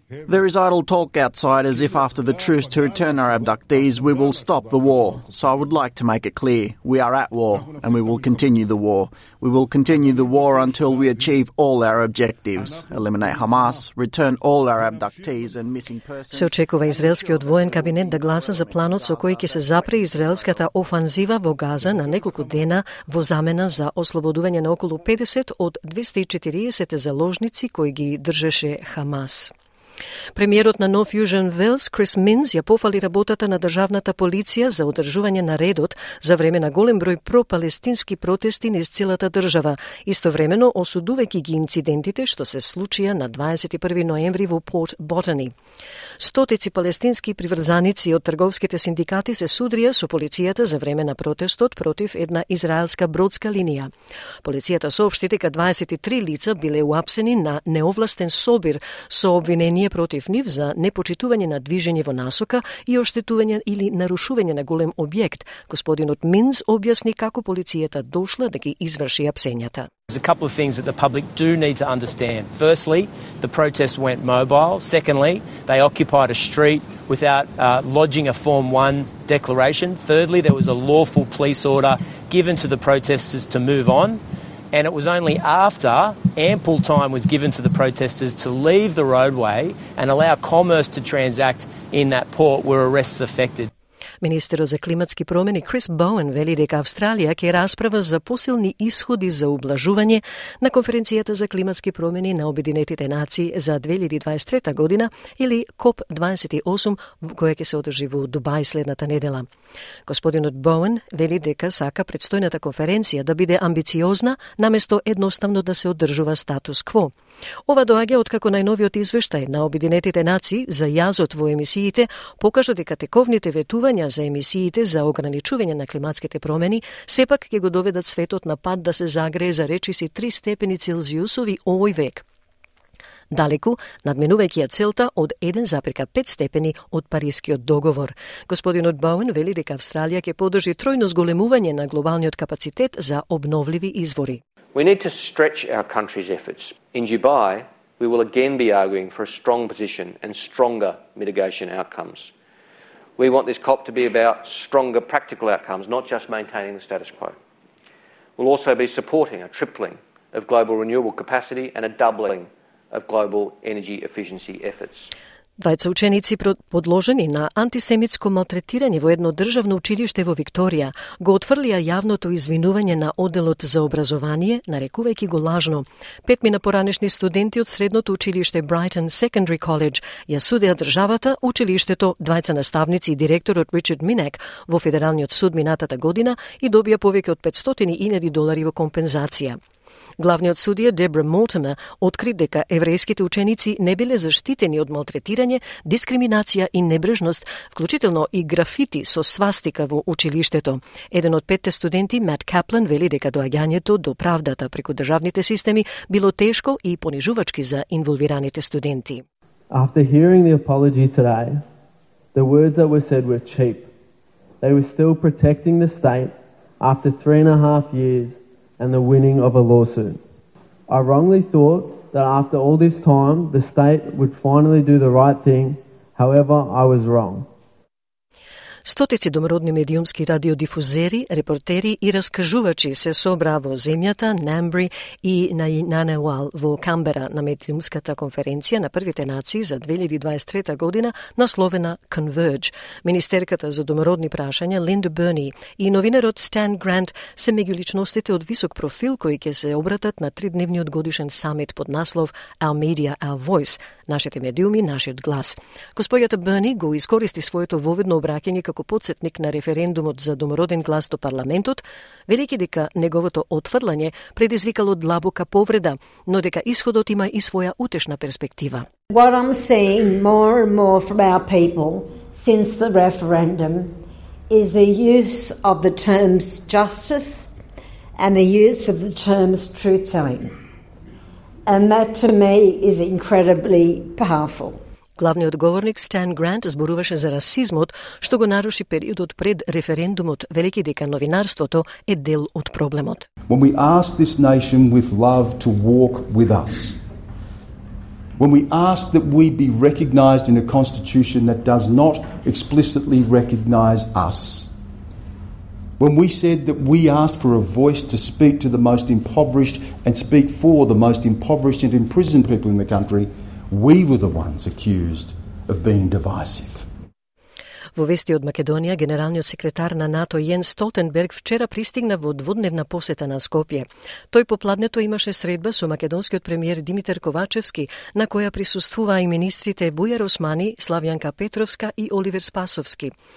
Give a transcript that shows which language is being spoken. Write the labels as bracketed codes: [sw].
[en] There is idle talk outside as if after the truce to return our abductees we will stop the war. So I would like to make it clear, we are at war and we will continue the war. We will continue the war until we achieve all our objectives. Eliminate Hamas, return all our abductees and missing persons. [mk] Се очекува израелскиот воен кабинет да гласа за планот со кој ќе се запре израелската офанзива во Газа на неколку дена во замена за ослободување на околу 50 од 240 заложници кои ги држеше Хамас. Премиерот на Нов Јужен Велс, Крис Минс, ја пофали работата на државната полиција за одржување на редот за време на голем број пропалестински протести низ целата држава, истовремено осудувајќи ги инцидентите што се случија на 21 ноември во Порт Ботани. Стотици палестински приврзаници од трговските синдикати се судрија со полицијата за време на протестот против една израелска бродска линија. Полицијата соопшти дека 23 лица биле уапсени на неовластен собир со обвинение ние против нив за непочитување на движење во насока и оштетување или нарушување на голем објект. Господинот Минс објасни како полицијата дошла да ги изврши апсењата. [en] There's a couple of things that the public do need to understand. Firstly, the protest went mobile. Secondly, they occupied a street without lodging a Form 1 declaration. Thirdly, there was a lawful police order given to the protesters to move on. And it was only after ample time was given to the protesters to leave the roadway and allow commerce to transact in that port where arrests affected. [mk] Министерот за климатски промени Крис Боуен вели дека Австралија ќе расправа за посилни исходи за ублажување на конференцијата за климатски промени на Обединетите нации за 2023 година или COP28 која ќе се одржи во Дубај следната недела. Господинот Боуен вели дека сака предстојната конференција да биде амбициозна наместо едноставно да се одржува статус кво. Ова доаѓа откако најновиот извештај на Обединетите нации за јазот во емисиите покажа дека тековните ветувања за емисиите за ограничување на климатските промени сепак ќе го доведат светот на пат да се загрее за речиси 3 степени Целзиусови овој век. Далеку, надменувајќи ја целта од 1,5 степени од Парискиот договор. Господинот Боуен вели дека Австралија ќе подржи тројно зголемување на глобалниот капацитет за обновливи извори. [en] We need to stretch our country's efforts. In Dubai, we will again be arguing for a strong position and stronger mitigation outcomes. We want this COP to be about stronger practical outcomes, not just maintaining the status quo. We'll also be supporting a tripling of global renewable capacity and a doubling of global energy efficiency efforts. [mk] Двајца ученици подложени на антисемитско малтретирање во едно државно училиште во Викторија го отфрлија јавното извинување на оделот за образование, нарекувајќи го лажно. Петмина поранешни студенти од средното училиште Brighton Secondary College ја судеа државата, училиштето, двајца наставници и директорот Ричард Минек во Федералниот суд минатата година и добија повеќе од 500.000 долари во компензација. Главниот судија Дебра Мортимер откри дека еврејските ученици не биле заштитени од малтретирање, дискриминација и небрежност, вклучително и графити со свастика во училиштето. Еден од петте студенти, Мат Каплен, вели дека доаѓањето до правдата преку државните системи било тешко и понижувачки за инволвираните студенти. [en] After hearing the apology today, the words that were said were cheap. They were still protecting the state after 3.5 years. And the winning of a lawsuit. I wrongly thought that after all this time, the state would finally do the right thing. However, I was wrong. [mk] Стотици домородни медиумски радиодифузери, репортери и раскажувачи се собра во земјата, Намбри и Нанеуал во Камбера на медиумската конференција на Првите нации за 2023 година, насловена Converge. Министерката за домородни прашања Линда Берни и новинарот Стан Грант се меѓу личностите од висок профил кои ќе се обратат на тридневниот годишен самит под наслов [en] Our Media, Our Voice, [mk] нашите медиуми, нашиот глас. Госпоѓата Берни го искористи своето воведно обраќање како подсетник на референдумот за домороден глас до парламентот, велики дека неговото отфрлање предизвикало длабока повреда, но дека исходот има и своја утешна перспектива. [en] What I'm seeing more and more from our people since the referendum is the use of the terms justice and the use of the terms truth-telling. And that to me is incredibly powerful. [mk] Главниот говорник Стан Грант зборуваше за расизмот, што го наруши периодот пред референдумот, велики дека новинарството е дел од проблемот. [en] When we ask this nation with love to walk with us, when we ask that we be recognized in a constitution that does not explicitly recognize us, when we said that we asked for a voice to speak to the most impoverished and speak for the most impoverished and imprisoned people in the country, we were the ones accused of being divisive. [mk] Во вести од Македонија, генералниот секретар на НАТО Јенс Столтенберг вчера пристигна во дводневна посета на Скопје. Тој попладнето имаше средба со македонскиот премиер Димитар Ковачевски, на која присуствуваа и министрите Бујар Османи, Славјанка Петровска и Оливер Спасовски.